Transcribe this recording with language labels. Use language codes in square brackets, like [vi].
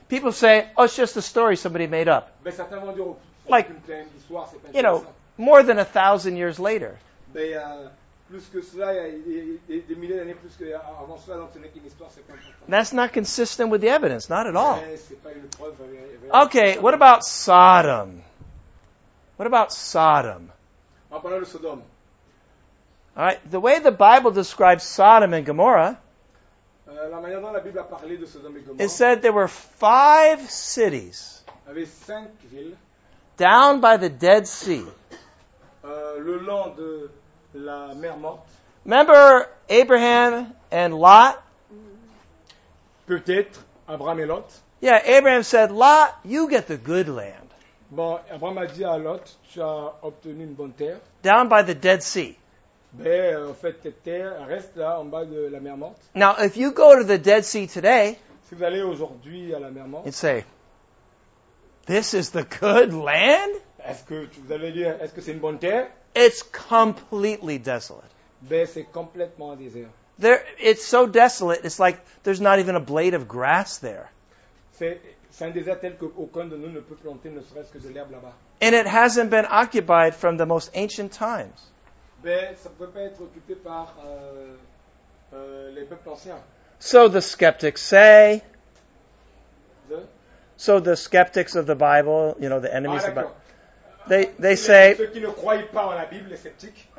[en] People say, oh, it's just a story somebody made up. [fr] Ben, certains vont dire, [en] like, you know, more than 1,000 years later. [fr] Ben, plus que cela, il y a des milliers d'années plus que avant cela, donc ce n'est qu'une histoire, c'est pas important. [en] That's not consistent with the evidence, not at all. [fr] Mais c'est pas une preuve. [en] Okay, what about Sodom? What about Sodom? [fr] En parlant de Sodome. [en] All right. The way the Bible describes Sodom and Gomorrah, [fr] la manière dont la Bible a parlé de Sodome et Gomorrah, [en] it said there were five cities [fr] avec cinq villes, [en] down by the Dead Sea. [fr] Le long de la mer morte. [en] Remember Abraham and Lot? [fr] Peut-être Abraham et Lot. [en] Yeah, Abraham said, Lot, you get the good land. [fr] Bon, Abraham a dit à Lot, tu as obtenu une bonne terre. [en] Down by the Dead Sea. [fr] Ben, en fait, cette terre reste là, en bas de la mer morte. [en] Now, if you go to the Dead Sea today, [fr] si vous allez aujourd'hui à la mer morte, [en] and say, this is the good land? [fr] Est-ce que vous allez dire, est-ce que c'est une bonne terre? [en] It's completely desolate. [fr] Ben, c'est complètement désert. [en] There, it's so desolate, it's like there's not even a blade of grass there. [fr] C'est un désert tel qu'aucun de nous ne peut planter ne serait-ce que de l'herbe là-bas. [en] And it hasn't been occupied from the most ancient times. [fr] Ben, ça ne peut pas être occupé par les peuples anciens. [en] So the skeptics say. The? So the skeptics of the Bible, you know, the enemies of the Bible. They say. [fr] Ceux qui ne croient pas en la Bible, les sceptiques.